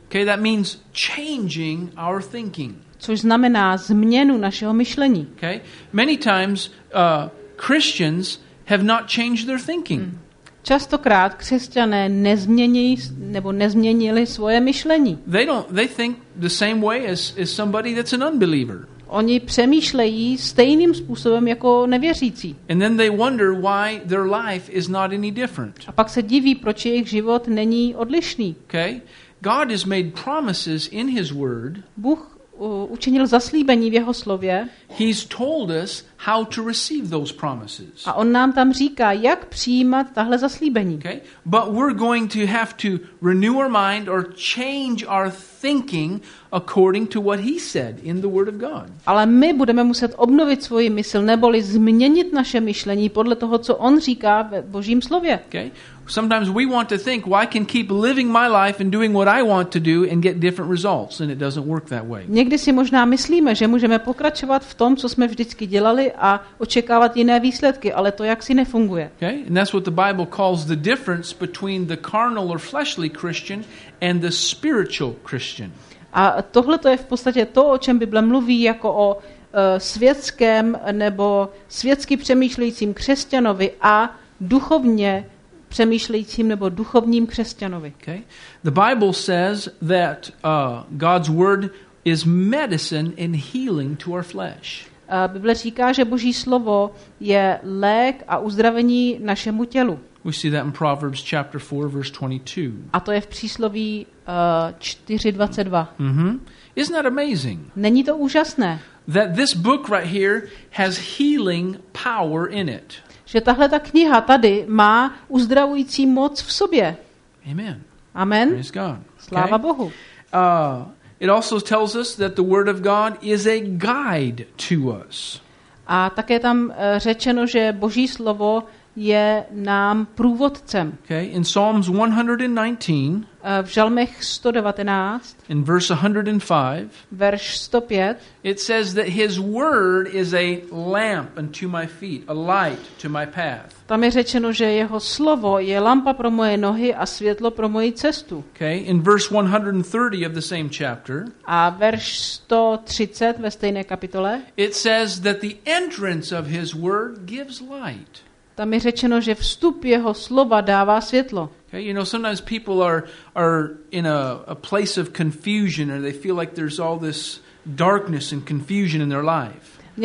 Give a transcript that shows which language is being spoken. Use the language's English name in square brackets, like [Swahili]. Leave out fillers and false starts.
[English] Okay, that means changing our thinking. [Czech] Což znamená změnu našeho myšlení. [English] Okay. Many times Christians have not changed their thinking. [Czech] Častokrát křesťané nezměnili nebo nezměnili svoje myšlení. [English] They think the same way as somebody that's an unbeliever. [Czech] Oni přemýšlejí stejným způsobem jako nevěřící. [English] And then they wonder why their life is not any different. [Czech] A pak se diví, proč jejich život není odlišný. [English] Okay. God has made promises in his word. [Czech] Bůh učinil zaslíbení v jeho slově. [English] He's told us how to receive those promises. [Czech] A on nám tam říká, jak přijímat tahle zaslíbení. [English] Okay? But we're going to have to renew our mind or change our thinking according to what he said in the word of God. [Czech] Ale my budeme muset obnovit svoji mysl neboli změnit naše myšlení podle toho, co on říká ve Božím slově. [English] Okay? Sometimes we want to think, well, I can keep living my life and doing what I want to do and get different results, and it doesn't work that way. [Czech] Někdy si možná myslíme, že můžeme pokračovat v tom, co jsme vždycky dělali a očekávat jiné výsledky, ale to jaksi nefunguje. [English] Okay? And that's what the Bible calls the difference between the carnal or fleshly Christian and the spiritual Christian. [Czech] A tohle to je v podstatě to, o čem Bible mluví jako o světském nebo světsky přemýšlejícím křesťanovi a duchovně přemýšlejícím nebo duchovním křesťanovi. [English] Okay. The Bible says that God's word is medicine and healing to our flesh. [Czech] Bible říká, že Boží slovo je lék a uzdravení našemu tělu. [English] We see that in Proverbs chapter 4 verse 22. [Czech] A to je v přísloví 4:22. [English] Mm-hmm. Isn't that amazing? [Czech] Není to úžasné? [English] That this book right here has healing power in it. [Czech] Že tahle ta kniha tady má uzdravující moc v sobě. [English] Amen. [Czech] Amen. [English] Praise God. [Czech] Sláva okay. Bohu. [English] It also tells us that the word of God is a guide to us. [Czech] A také tam řečeno, že Boží slovo je nám průvodcem. [English] Okay, in Psalms 119, [Czech] v Žalmech 119, [English] in verse 105, [Czech] verš 105, [English] it says that his word is a lamp unto my feet, a light to my path. [Czech] Tam je řečeno, že jeho slovo je lampa pro moje nohy a světlo pro moji cestu. [English] Okay, in verse 130 of the same chapter, [Czech] a verš 130 ve stejné kapitole, [English] it says that the entrance of his word gives light. [Czech] Tam je řečeno, že vstup jeho slova dává světlo. [English] Okay, you know, sometimes people are in a place of confusion and they feel like there's all this darkness and confusion in their life.